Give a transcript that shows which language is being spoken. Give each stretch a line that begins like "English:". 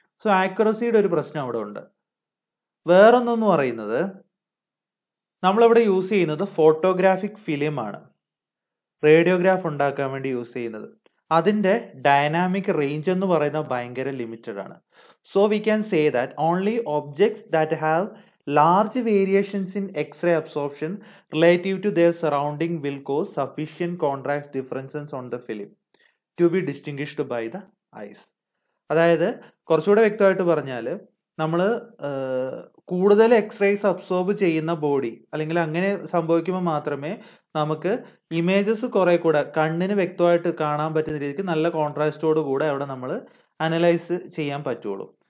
Malayalam: So ആക്യുറസിയുടെ ഒരു പ്രശ്നം അവിടെ ഉണ്ട്. വേറൊന്നെന്ന് പറയുന്നത്, നമ്മളിവിടെ യൂസ് ചെയ്യുന്നത് ഫോട്ടോഗ്രാഫിക് ഫിലിം ആണ്, റേഡിയോഗ്രാഫ് ഉണ്ടാക്കാൻ വേണ്ടി യൂസ് ചെയ്യുന്നത്. അതിൻ്റെ ഡൈനാമിക് റേഞ്ച് എന്ന് പറയുന്നത് ഭയങ്കര ലിമിറ്റഡ് ആണ്.
English: So we can say that only objects that have large variations in X-ray absorption relative to their surrounding will cause sufficient contrast differences on the film to be distinguished by the eyes.
Malayalam: അതായത് കുറച്ചുകൂടെ വ്യക്തമായിട്ട് പറഞ്ഞാൽ, നമ്മൾ കൂടുതൽ X-rays absorb ചെയ്യുന്ന body അല്ലെങ്കിൽ അങ്ങനെ സംഭവിക്കുമ്പോൾ മാത്രമേ നമുക്ക് ഇമേജസ് കുറേ കൂടെ കണ്ണിന് വ്യക്തമായിട്ട് കാണാൻ പറ്റുന്ന രീതിക്ക് നല്ല കോൺട്രാസ്റ്റോട് കൂടെ അവിടെ നമ്മൾ അനലൈസ് ചെയ്യാൻ പറ്റുള്ളൂ.